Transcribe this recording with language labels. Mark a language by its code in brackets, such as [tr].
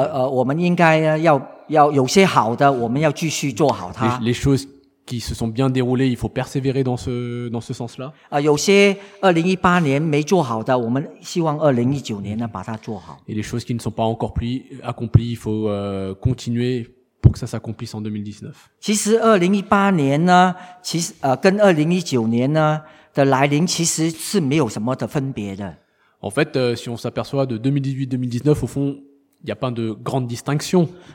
[zh] 我们应该要有些好的，我们要继续做好它。 [fr] Les choses qui se sont bien déroulées, il faut persévérer dans ce sens-là. [zh] 有些2018年没做好的，我们希望2019年呢把它做好。 [fr] Et les choses qui ne sont pas encore plus accomplies, il faut continuer. Pour que ça s'accomplisse en 2019. [zh] 其实2018年呢，其实跟2019年呢的来临其实是没有什么的分别的。 [fr] En fait, si on s'aperçoit de 2018-2019, au fond, il n'y a pas de grande distinction.